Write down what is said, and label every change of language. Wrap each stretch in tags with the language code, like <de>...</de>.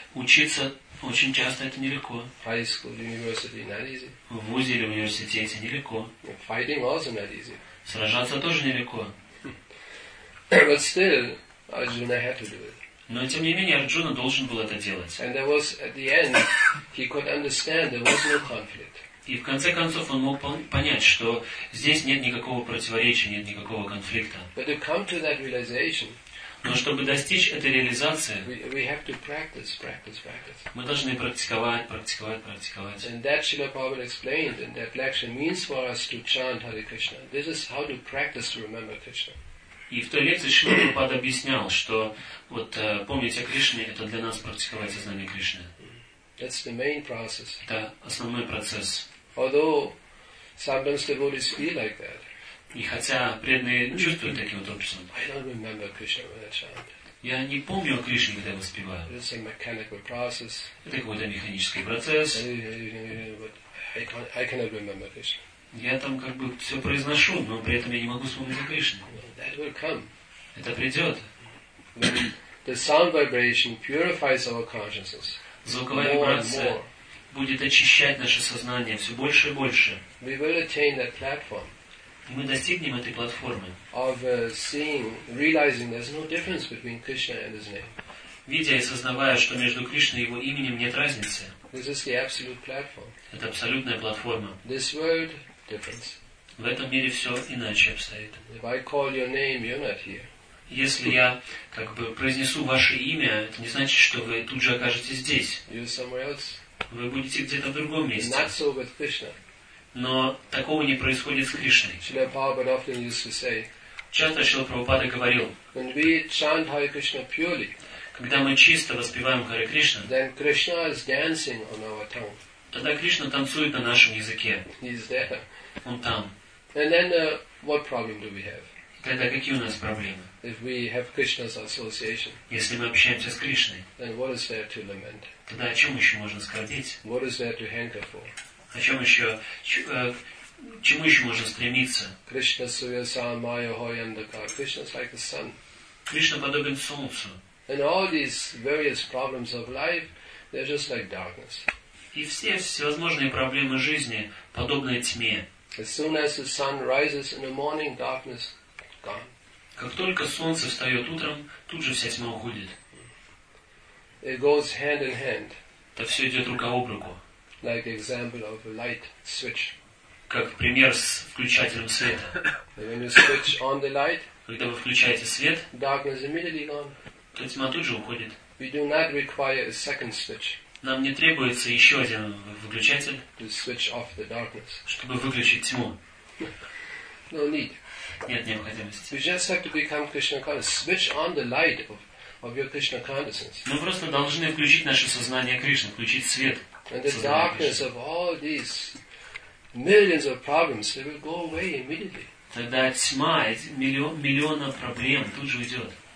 <ru>Учиться очень часто это нелегко.</ru> <en>High school, university not easy.</en> <ru>В вузе или университете нелегко.</ru> <en>Fighting also not easy.</en> <ru>Сражаться тоже нелегко.</ru> <en>But still, Arjuna had to do it.</en> <ru>Но тем не менее Арджуна должен был это делать.</ru> <en>And there was at the end, he could understand there was no conflict.</en> <ru>И в конце концов он мог понять, что здесь нет никакого противоречия, нет никакого конфликта.</ru> <en>But to come to that realization,</en> <ru>но чтобы достичь этой реализации,</ru> <en>we have to practice, practice, practice.</en> <ru>Мы должны практиковать, практиковать, практиковать.</ru> <en>And that Srila Prabhupada explained in that lecture means for us to chant Hare Krishna. This is how to practice to remember Krishna.</en> <ru>И в той лекции Шрила Прабхупада объяснял, что вот помнить о Кришне это для нас практиковать сознание Кришны.</ru> <en>That's the main process.</en> <ru>Это основной процесс.</ru> <en>Although sometimes devotees feel like that.</en> <ru>И хотя преданные чувствуют таким вот образом.</ru> <en>I don't remember Krishna when I chant.</en> <ru>Я не помню о Кришне, когда я воспеваю.</ru> <en>It's a mechanical process.</en> <ru>Это какой-то механический процесс.</ru> <en>But I cannot remember Krishna.</en> <ru>Я там как бы все произношу, но при этом я не могу вспомнить о Кришне.</ru> <en>That will come.</en> <ru>Это придет.</ru> <en>The sound vibration purifies our consciousness.</en> <ru>Звуковая вибрация будет очищать наше сознание все больше и больше.</ru> <en>We will attain that platform.</en> <ru>И мы достигнем этой платформы.</ru> <en>Of seeing, realizing there's no difference between Krishna and His name.</en> <ru>Видя и сознавая, что между Кришной и Его именем нет разницы.</ru> <en>This is the absolute platform.</en> <ru>Это абсолютная платформа.</ru> <en>This world difference.</en> <ru>В этом мире все иначе обстоит.</ru> <en>If I call your name, you're not here.</en> <ru>Если я как бы произнесу ваше имя, это не значит, что вы тут же окажетесь здесь.</ru> <en>You're somewhere else.</en> <ru>Вы будете где-то в другом месте.</ru> <en>Not so with Krishna.</en> <ru>Но такого не происходит с Кришной.</ru> <en>Srila Prabhupada often used to say,</en> <ru>часто Шрила Прабхупада говорил,</ru> <en>when we chant Hare Krishna purely,</en> <ru>когда мы чисто воспеваем Харе Кришна,</ru> <en>then Krishna is dancing on our tongue.</en> <ru>Тогда Кришна танцует на нашем языке.</ru> <en>He's there.</en> <ru>Он там.</ru> <en>And then, what problem do we have?</en> <ru>Тогда какие у нас проблемы?</ru> <en>If we have Krishna's association,</en> <ru>если мы общаемся с Кришной,</ru> <en>then what is there to lament?</en> <ru>Тогда о чем еще можно скорбеть?</ru> <en>What is there to hanker for?</en> <ru>О чем еще, чему еще можно стремиться?</ru> <bn>Krishna suyasa maya hoyandakar.</bn> <en>Krishna is like the sun.</en> <ru>Кришна подобен солнцу.</ru> <en>And all these various problems of life, they're just like darkness.</en> <ru>И все всевозможные проблемы жизни подобны тьме.</ru> <en>As soon as the sun rises in the morning, darkness gone.</en> <ru>Как только солнце встает утром, тут же вся тьма уходит.</ru> <en>It goes hand in hand.</en> <ru>Это все идет рука об руку.</ru> <en>Like example of a light switch.</en> <ru>Как пример с включателем света.</ru> <en>When you switch on the light,</en> <ru>когда вы включаете свет,</ru> <en>darkness immediately gone.</en> <ru>То тьма тут же уходит.</ru> <en>We do not require a second switch.</en> <ru>Нам не требуется еще один выключатель,</ru> <en>to switch off the darkness,</en> <ru>чтобы выключить тьму.</ru> <en>No need.</en> <ru>Нет необходимости.</ru> <en>We just have to become Krishna conscious. Switch on the light of your Krishna consciousness.</en> <ru>Мы просто должны включить наше сознание Кришны, включить свет.</ru> <en>And the darkness of all these millions of problems, they will go away immediately.</en> <ru>тогда тьма, миллионы проблем тут же уйдет.</ru>